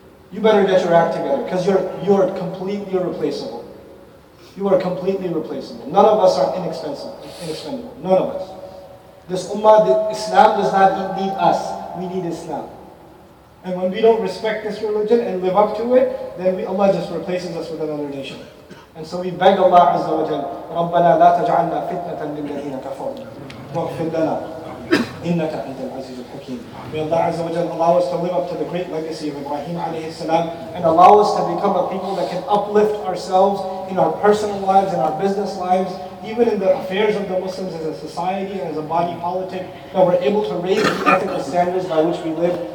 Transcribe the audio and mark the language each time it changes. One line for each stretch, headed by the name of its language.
English: You better get your act together because you're completely irreplaceable. You are completely replaceable. None of us are inexpensive. None of us. This ummah, Islam does not need us. We need Islam. And when we don't respect this religion and live up to it, then Allah just replaces us with another nation. And so we beg Allah Azza wa Jal,
Arabic: رَبَّنَا لَا تَجْعَلْنَا فِتْنَةً لِلَّذِينَ كَفَرُوا وَاغْفِرْ لَنَا إِنَّكَ أَنْتَ الْعَزِيزُ الْحَكِيمُ.
English: May Allah Azza wa Jal allow us to live up to the great legacy of Ibrahim alayhi salam and allow us to become a people that can uplift ourselves in our personal lives, in our business lives, even in the affairs of the Muslims as a society and as a body politic, that we're able to raise the ethical standards by which we live.